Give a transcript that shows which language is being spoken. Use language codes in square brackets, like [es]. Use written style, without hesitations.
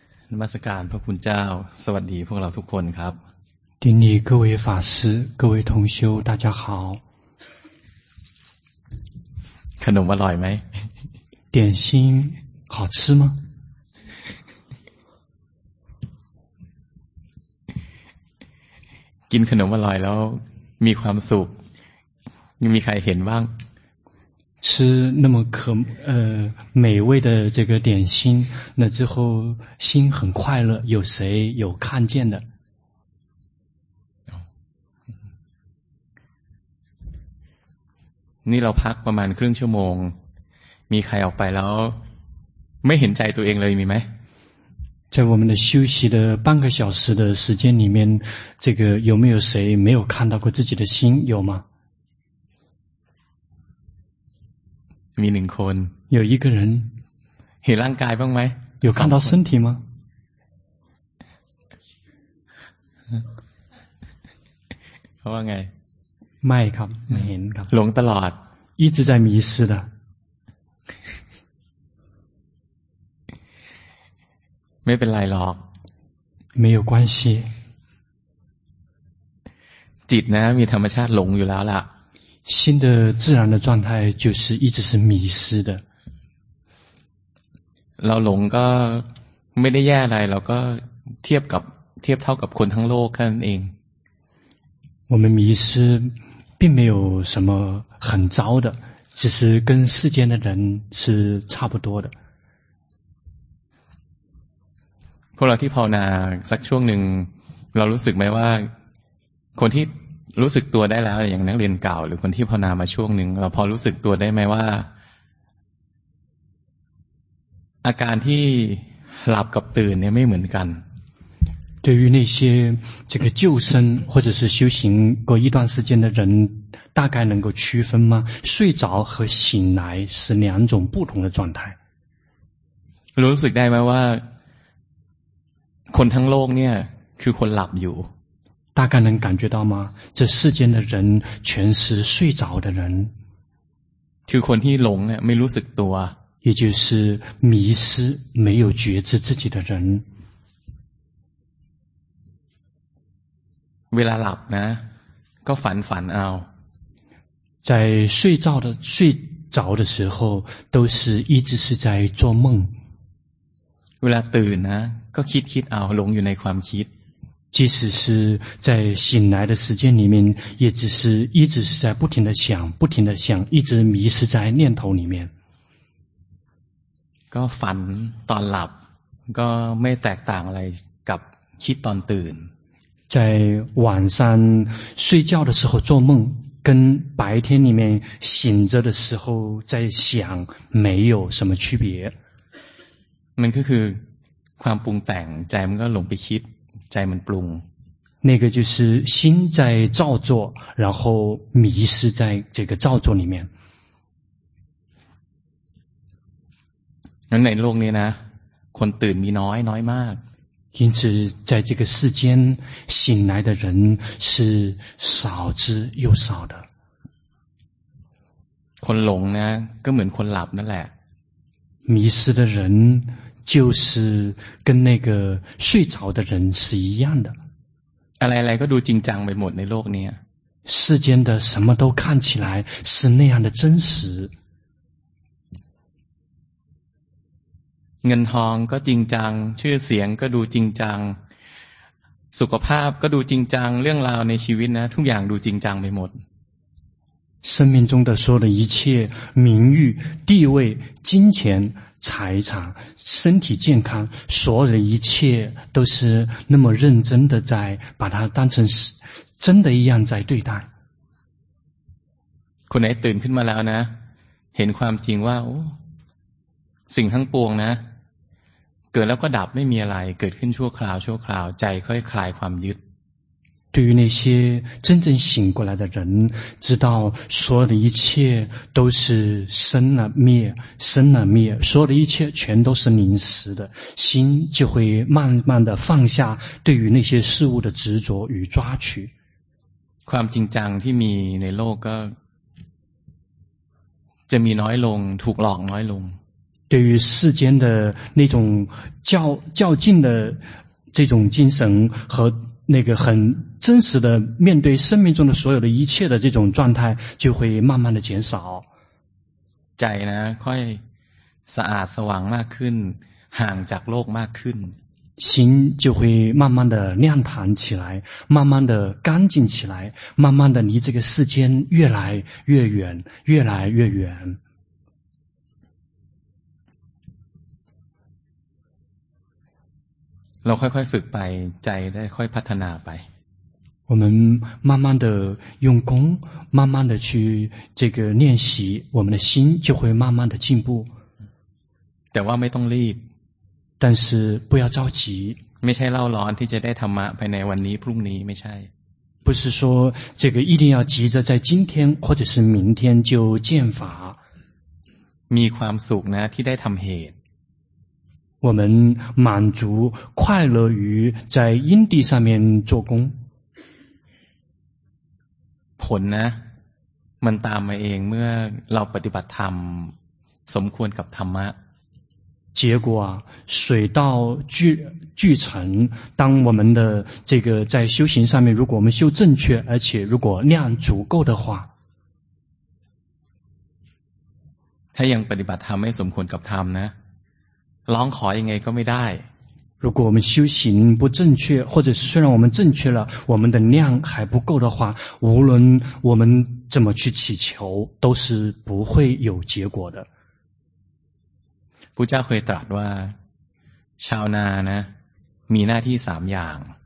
[th] นมัสการพระคุณเจ้าสวัสดีพวกเราทุกคนครับ ที่นี่ [zh] 各位法师各位同修大家好 [th] ขนมอร่อยไหม [zh] 点心好吃吗 [th] กินขนมอร่อยแล้วมีความสุขมีใครเห็นบ้าง [zh] 吃那么可美味的这个点心那之后心很快乐有谁有看见的 [th] นี่เราพักประมาณครึ่งชั่วโมงมีใครออกไปแล้วไม่เห็นใจตัวเองเลยมีไหม [zh] 在我们的休息的半个小时的时间里面这个有没有谁没有看到过自己的心有吗 [th] มีหนึ่งคน [zh] 有一个人 [th] เห็นร่างกายบ้างไหม [zh] 有看到身体吗 [th] เขาว่าไง ไม่ครับไม่เห็นครับ หลงตลอด [zh] 一直在迷失的 [th] ไม่เป็นไรหรอก [zh] 没有关系 [th] จิตนะมีธรรมชาติหลงอยู่แล้วล่ะ [zh] 心的自然的状态就是一直是迷失的 [th] เราหลงก็ไม่ได้แย่อะไรเราก็เทียบเท่ากับคนทั้งโลกแค่นั้นเอง [zh] 我们迷失并没有什么很糟的只是跟世间的人是差不多的 [th] พวกเราที่ภาวนาสักช่วงหนึ่งเรารู้สึกไหมว่าคนที่รู้สึกตัวได้แล้วอย่างนักเรียนเก่าหรือคนที่ภาวนามาช่วงหนึ่งเราพอรู้สึกตัวได้ไหมว่าอาการที่หลับกับตื่นเนี่ยไม่เหมือนกัน [zh] 对于那些这个旧生或者是修行过一段时间的人大概能够区分吗睡着和醒来是两种不同的状态 [th] รู้สึกได้ไหมว่าคนทั้งโลกเนี่ยคือคนหลับอยู่ [zh] 大概能感觉到吗这世间的人全是睡着的人 [th] คือคนที่หลงเนี่ยไม่รู้สึกตัว [zh] 也就是迷失没有觉知自己的人 [th] เวลาหลับนะก็ฝันเอา [zh] 在睡着的时候都是一直是在做梦 [th] เวลาตื่นนะก็คิดเอาหลงอยู่ในความคิด [zh] 即使是在醒来的时间里面也只是一直是在不停的想一直迷失在念头里面 [th] ก็ฝันตอนหลับก็ไม่แตกต่างอะไรกับคิดตอนตื่น [zh] 在晚上睡觉的时候做梦跟白天里面醒着的时候在想没有什么区别 [th] มันก็คือความปรุงแต่งใจมันก็หลงไปคิดใจมันปรุง [zh] 那个就是心在造作然后迷失在这个造作里面 [th] งั้นในโลกนี้นะคนตื่นมีน้อยมาก [zh] 因此在这个世间醒来的人是少之又少的 [th] คนหลงนะก็เหมือนคนหลับนั่นแหละ [zh] 迷失的人就是跟那个睡着的人是一样的 [th] อะไรๆก็ดูจริงจังไปหมดในโลกนี้ [zh] 世间的什么都看起来是那样的真实 [th] เงินทองก็จริงจังชื่อเสียงก็ดูจริงจังสุขภาพก็ดูจริงจังเรื่องราวในชีวิตนะทุกอย่างดูจริงจังไปหมด [zh] 生命中的所有的一切名誉地位金钱财产身体健康所有的一切都是那么认真的在把它当成是真的一样在对待 [th] คนไหนตื่นขึ้นมาแล้วนะเห็นความจริงว่าสิ่งทั้งปวงนะเกิดแล้วก็ดับไม่มีอะไรเกิดขึ้นชั่วคราวใจค่อยคลายความยึด [zh] 对于那些真正醒过来的人知道所有的一切都是生了灭所有的一切全都是临时的心就会慢慢的放下对于那些事物的执着与抓取 [th] ความจริงจังที่มีในโลกก็จะมีน้อยลงถูกหลอกน้อยลง [zh] 对于世间的那种较劲的这种精神和那个很真实的面对生命中的所有的一切的这种状态就会慢慢的减少 [th] ใจนะค่อยสะอาดสว่างมากขึ้นห่างจากโลกมากขึ้น [zh] 心就会慢慢的亮堂起来慢慢的干净起来慢慢的离这个世间越来越远越来越远 [th] เราค่อยค่อยฝึกไปใจได้ค่อยพัฒนาไป [zh] 我们慢慢的用功慢慢的去这个练习我们的心就会慢慢的进步 [th] แต่ว่าไม่ต้องรีบ [zh] 但是不要着急 [th] ไม่ใช่เล่าร้อนที่จะได้ธรรมะภายในวันนี้พรุ่งนี้ไม่ใช่ [zh] 不是说这个一定要急着在今天或者是明天就见法 [th] มีความสุขนะที่ได้ทำเหตุ [zh] 我们满足快乐于在因地上面做工 [th] ผลนะมันตามมาเองเมื่อเราปฏิบัติธรรมสมควรกับธรรมะ [zh] 结果水到渠成当我们的这个在修行上面如果我们修正确而且如果量足够的话 [th] ถ้ายังปฏิบัติธรรมไม่สมควรกับธรรมนะร้องขอยังไงก็ไม่ได้ [zh] 如果我们修行不正确或者是虽然我们正确了我们的量还不够的话无论我们怎么去祈求都是不会有结果的 [th] พุทธเจ้าเคยตรัสว่าชาวนานะมีหน้าที่สามอย่าง